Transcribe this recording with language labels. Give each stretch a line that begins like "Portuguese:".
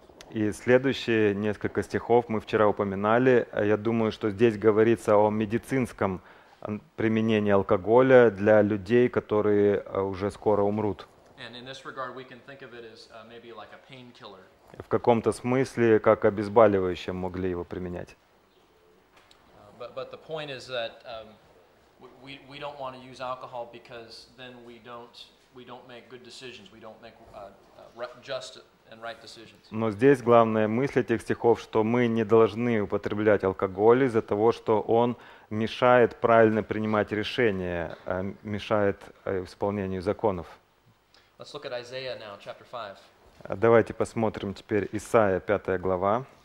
Russian: И следующие несколько стихов мы вчера упоминали. Я думаю, что здесь говорится о медицинском применении алкоголя для людей, которые уже скоро умрут.
English: And in this regard, we can think of it as maybe like a painkiller.
Russian: В каком-то смысле, как обезболивающее могли его применять.
English: But the point is that we don't want to use alcohol because then we don't make good decisions, we don't make just and right decisions.
Russian: Но здесь главная мысль этих стихов, что мы не должны употреблять алкоголь из-за того, что он мешает правильно принимать решения, мешает исполнению законов.
English: Let's look at Isaiah now, chapter 5.
Russian: Давайте посмотрим теперь Исаия, 5 глава.